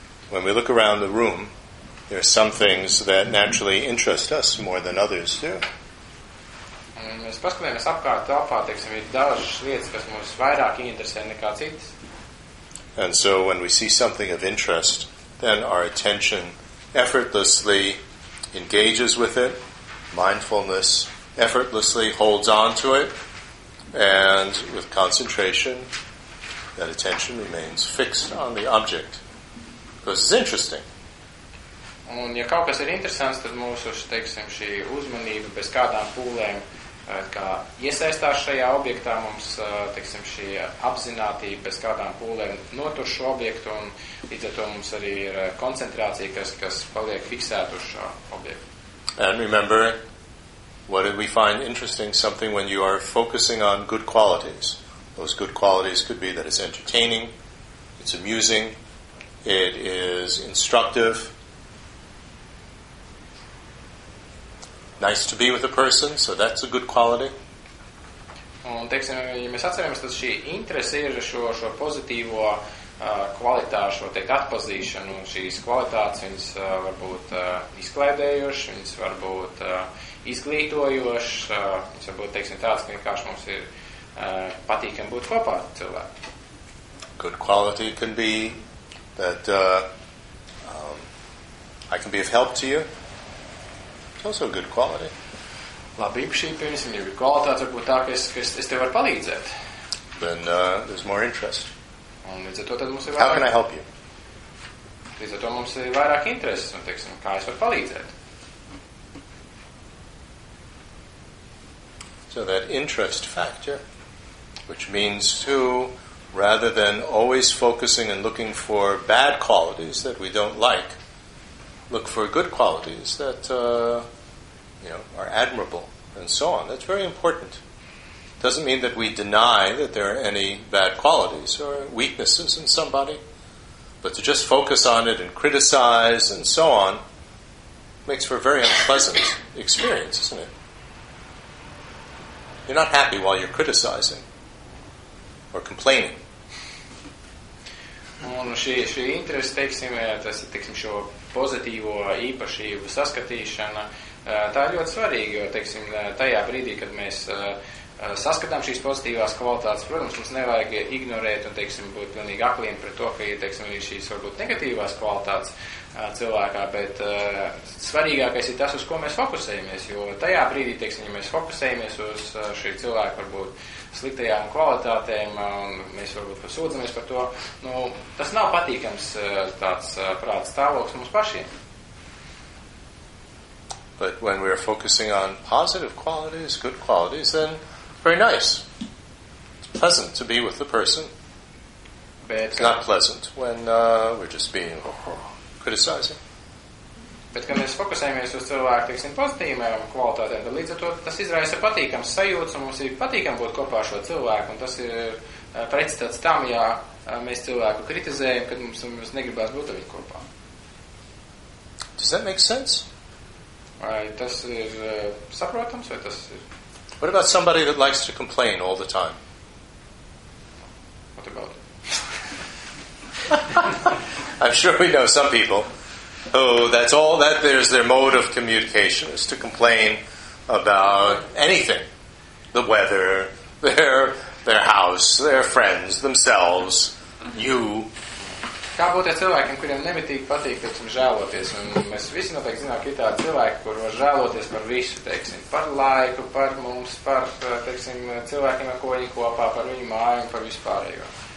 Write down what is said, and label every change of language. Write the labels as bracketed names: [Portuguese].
[English] When we look around the room, there are some things that naturally interest us more than others do. [Latvian] Mēs paskatāmies apkārt telpā, teiksim, ir dažas lietas, kas mums vairāk interesē nekā citas. [English] And so when we see something of interest, then our attention effortlessly engages with it, mindfulness effortlessly holds on to it, and with concentration, that attention remains fixed on the object. Because it's interesting. [Latvian] Un, ja kaut kas ir interesants, tad mūsu, teiksim, šī uzmanība bez kādām pūlēm, kā iesaistās šajā objektā, mums, teiksim, šī apzinātība bez kādām pūlēm notur šo objektu, un līdz ar to mums arī ir koncentrācija, kas paliek fiksēta uz šo objektu. [English] And remember, what did we find interesting? Something when you are focusing on good qualities. Those good qualities could be that it's entertaining, it's amusing, it is instructive, nice to be with a person, so that's a good quality. [Latvian] Un, teiksim, ja mēs atceramies, tad šī interese ir šo pozitīvo kvalitāšu, var teikt, atpazīšanu, un šīs kvalitātes viņas varbūt izklaidējušas, viņas varbūt izglītojošs, viņš varbūt, teiksim, tāds, ka vienkārši mums ir patīkami būt kopā ar cilvēku. [English] Good quality can be that I can be of help to you. It's also good quality. [Latvian] Labība šī, pirms, viņa ir kvalitāte, varbūt tā, ka es tev varu palīdzēt. [English] Then there's more interest. [Latvian] Un līdz ar to tad mums ir vairāk. [English] How can I help you? [Latvian] Līdz ar to mums ir vairāk intereses, un, teiksim, kā es varu palīdzēt. [English] So that interest factor, which means to, rather than always focusing and looking for bad qualities that we don't like, look for good qualities that you know, are admirable and so on. That's very important. Doesn't mean that we deny that there are any bad qualities or weaknesses in somebody, but to just focus on it and criticize and so on makes for a very unpleasant experience, isn't it? You're not happy while you're criticizing or complaining. [Latvian] Un šī interese, teiksim, tas ir, teiksim, šo pozitīvo īpašību saskatīšana, tā ir ļoti svarīga, jo, teiksim, tajā brīdī, kad mēs saskatām šīs pozitīvās kvalitātes, protams, mums nevajag ignorēt un, teiksim, būt pilnīgi akliem pret to, ka ir, teiksim, arī šīs, varbūt, negatīvās kvalitātes cilvēkā, bet svarīgākais ir tas, uz ko mēs fokusējamies, jo tajā brīdī, teiksim, ja mēs fokusējamies uz šī cilvēku, varbūt, sliktajām kvalitātēm, un mēs, varbūt, pasūdzamies par to, nu, tas nav patīkams tāds prāts stāvoklis mums pašiem. [English] But when we are focusing on positive qualities, good qualities, then very nice. It's pleasant to be with the person. [Latvian] Bet, [English] it's not pleasant when we're just being criticizing. [Latvian] Bet kad mēs fokusējamies uz cilvēku, teiksim, pozitīvām kvalitātēm, tad līdz ar to tas izraisa patīkams sajūts, un mums ir patīkami būt kopā ar šo cilvēku, un tas ir pretstats tam, ja mēs cilvēku kritizējam, kad mums, mums negribas būt ar viņu kopā. [English] Does that make sense? [Latvian] Vai tas ir saprotams, vai tas ir... [English] What about somebody that likes to complain all the time? What about I'm sure we know some people who that's all that there's their mode of communication is to complain about anything. The weather, their house, their friends, themselves, you. [Latvian] Kā būt ar cilvēkiem, kuriem nemitīgi patīk, teiksim, žēloties? Un mēs visi noteikti zinām, ka ir tādi cilvēki, kur var žēloties par visu, teiksim, par laiku, par mums, par, teiksim, cilvēkiem, ar ko viņi kopā, par viņu māju un par vispārējo.